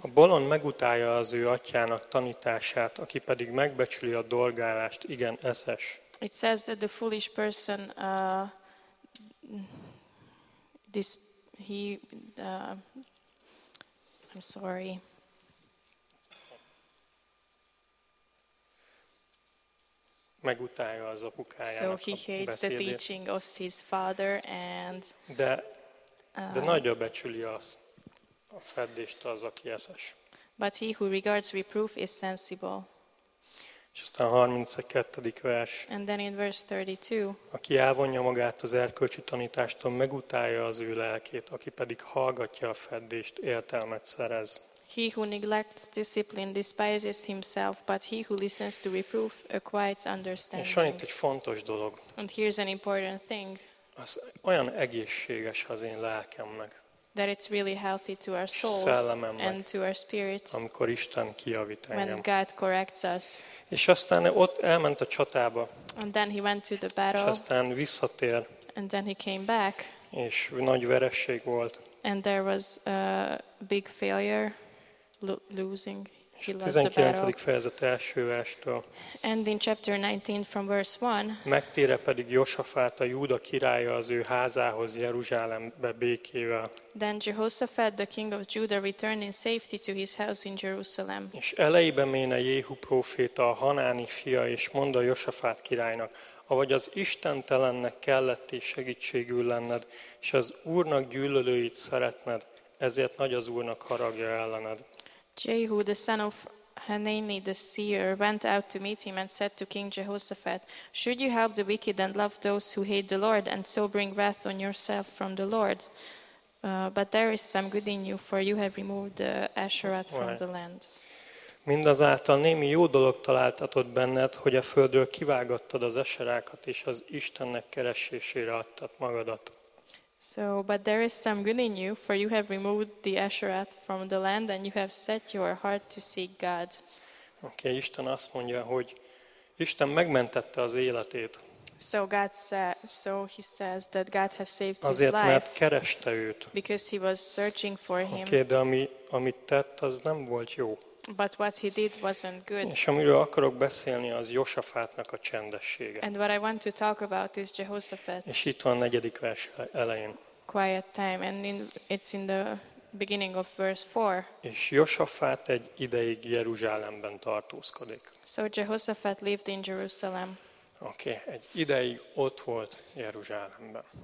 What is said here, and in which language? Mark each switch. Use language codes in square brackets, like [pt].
[hu] A bolond megutálja az ő atyának tanítását, aki pedig megbecsüli a dolgálást, igen eszes. [en] It says that the foolish person I'm sorry. [hu] Megutálja az apukájának [en] so he hates the teaching of his father and [hu] de nagyra becsüli az a feddést az aki eszes. [en] But he who regards reproof is sensible. [hu] És aztán 32. vers. [en] And then in verse 32. [hu] Aki elvonja magát az erkölcsi tanítástól, megutálja az ő lelkét, aki pedig hallgatja a feddést, értelmet szerez. [en] He who neglects discipline despises himself, but he who listens to reproof acquires understanding. [hu] És annyit egy fontos dolog. [en] And here's an important thing. [hu] Az olyan egészséges az én lelkemnek. [en] That it's really healthy to our souls and to our spirit. [hu] Amikor Isten kijavít engem. [en] When God corrects us. [hu] És aztán ott elment a csatába. [en] And then he went to the battle. [hu] És aztán visszatér. [en] And then he came back. [hu] És nagy vereség volt. [en] And there was a big failure. Losing. he lost the battle. 19. [hu] fejezet első verstől. [en] And in chapter 19 from verse 1. [hu] Megtérve pedig Josafát, a Júda királya az ő házához Jeruzsálembe békével. [en] Then Jehoshaphat, the king of Judah, returned in safety to his house in Jerusalem. [hu] És elejébe méne Jéhu próféta, a Hanáni fia, és mondta Josafát királynak, ahogy az istentelennek kellett és segítségül lenned, és az Úrnak gyűlölőit szeretned, ezért nagy az Úrnak haragja ellened. [en] Jehu, the son of Hanani, the seer, went out to meet him and said to King Jehoshaphat, should you help the wicked and love those who hate the Lord and so bring wrath on yourself from the Lord? But there is some good in you, for you have removed the Asherah from the land. [hu] Mindazáltal némi jó dolog találtatott benned, hogy a földről kivágattad az Asherákat és az Istennek keresésére adtad magadat. [en] So, but there is some good in you, for you have removed the Asherah from the land, and you have set your heart to seek God. [hu] Okay, Isten azt mondja, hogy Isten megmentette az életét. [en] So God said, so he says that God has saved his [hu] azért, [en] life. [hu] Mert kereste őt. [en] Because he was searching for him. [hu] Okay, de amit tett, az nem volt jó. [en] But what he did wasn't good. [hu] És amiről akarok beszélni, az Josafátnak a csendessége. [en] And what I want to talk about is Jehoshaphat. [hu] És itt van a negyedik vers elején. [en] Quiet time, and it's in the beginning of verse 4. [hu] És Josafát egy ideig Jeruzsálemben tartózkodik. [en] So Jehoshaphat lived in Jerusalem. [hu] Okay, egy ideig ott volt Jeruzsálemben.